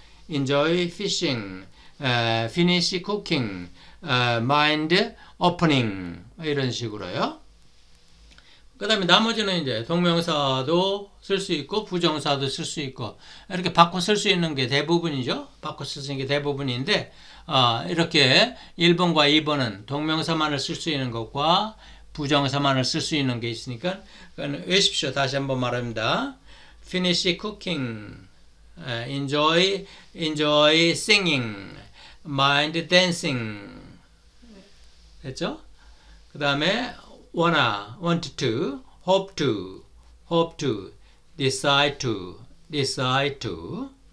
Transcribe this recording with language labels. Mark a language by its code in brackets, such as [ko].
[en] Enjoy fishing, finish cooking, mind opening. [ko] 이런 식으로요. 그 다음에 나머지는 이제 동명사도 쓸수 있고 부정사도 쓸수 있고 이렇게 바꿔 쓸수 있는 게 대부분이죠. 바꿔 쓸수 있는 게 대부분인데 이렇게 1번과 2번은 동명사만을 쓸수 있는 것과 부정사만을 쓸수 있는 게 있으니까 외십시오. 다시 한번 말합니다. [en] Finish cooking, enjoy singing, mind dancing. [ko] 됐죠? 그 다음에 [en] want to, hope to, decide to.